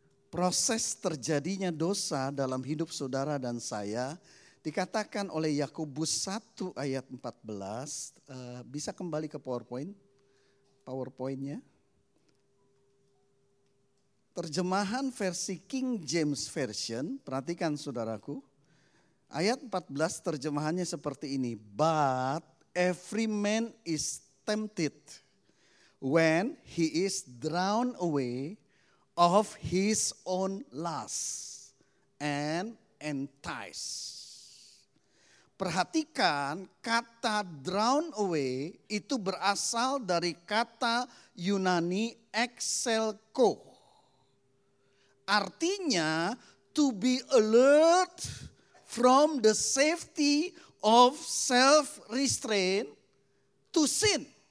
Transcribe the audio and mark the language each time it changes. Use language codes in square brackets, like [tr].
[id] Proses terjadinya dosa dalam hidup saudara dan saya dikatakan oleh Yakobus 1 ayat 14. Bisa kembali ke PowerPoint? PowerPointnya. Terjemahan versi King James Version. Perhatikan saudaraku. Ayat 14 terjemahannya seperti ini. [en] But every man is tempted when he is drawn away of his own lust and enticed. [id] Perhatikan kata [en] drawn away [id] itu berasal dari kata Yunani exelko. Artinya [en] to be alert from the safety of self-restraint to sin.